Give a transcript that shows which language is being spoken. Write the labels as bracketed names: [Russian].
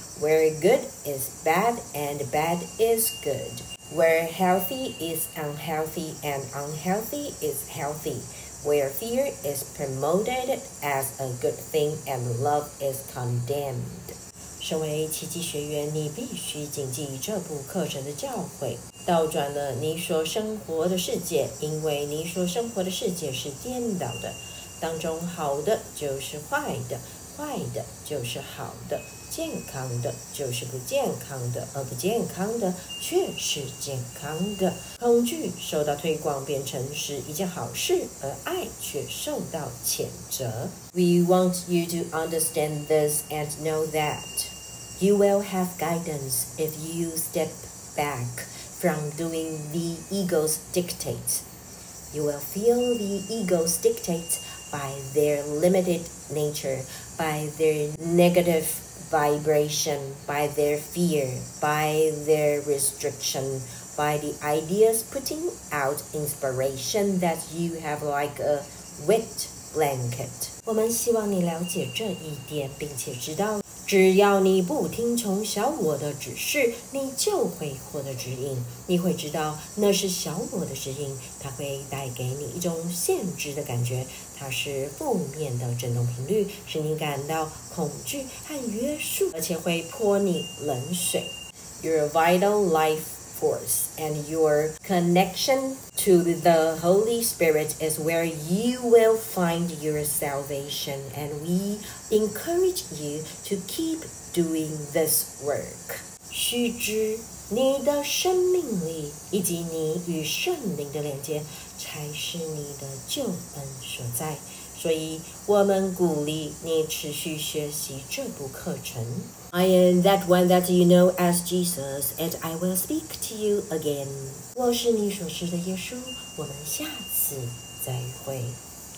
[English] Where good is bad and bad is good. Where healthy is unhealthy and unhealthy is healthy. Where fear is promoted as a good thing and love is condemned. [Chinese] 身为奇迹学员，你必须谨记这部课程的教诲，倒转了你所生活的世界，因为你所生活的世界是颠倒的，当中好的就是坏的，坏的就是好的。健康的就是不健康的，而不健康的却是健康的。恐惧受到推广变成是一件好事，而爱却受到谴责。 [English] We want you to understand this and know that you will have guidance if you step back from doing the ego's dictates. You will feel the ego's dictates by their limited nature, by their negativevibration, by their fear, by their restriction, by the ideas putting out inspiration that you have like a wet blanket. [Chinese] 我们希望你了解这一点，并且知道，只要你不听从小我的指示，你就会获得指引。你会知道那是小我的指引，它会带给你一种限制的感觉，它是负面的振动频率，使你感到恐惧和约束，而且会泼你冷水。 [English] Your vital life force and your connection to the Holy Spirit is where you will find your salvation, and we encourage you to keep doing this work. [Chinese] 须知你的生命力以及你与圣灵的连接才是你的救恩所在，所以我们鼓励你持续学习这部课程。 [English] I am that one that you know as Jesus, and I will speak to you again. [Chinese] 我是你所知的耶稣，我们下次再会。